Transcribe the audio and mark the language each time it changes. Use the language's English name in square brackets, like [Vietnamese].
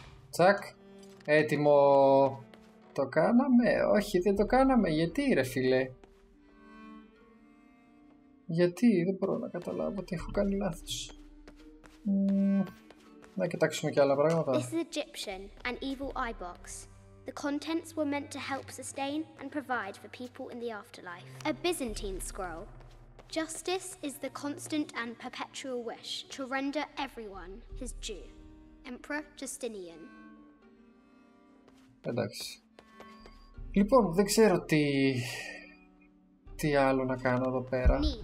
[Greek] Τσακ. Έτοιμο. Το κάναμε, όχι δεν το κάναμε, γιατί ρε φίλε. Γιατί, δεν μπορώ να καταλάβω ότι έχω κάνει λάθος. Να κοιτάξουμε και άλλα πράγματα. Είναι [English] Egyptian, an evil eye box. The contents were meant to help sustain and provide for people in the afterlife. A Byzantine scroll. Justice is the constant and perpetual wish to render everyone his due. Emperor Justinian. [Greek] Εντάξει. Λοιπόν, δεν ξέρω τι άλλο να κάνω εδώ πέρα.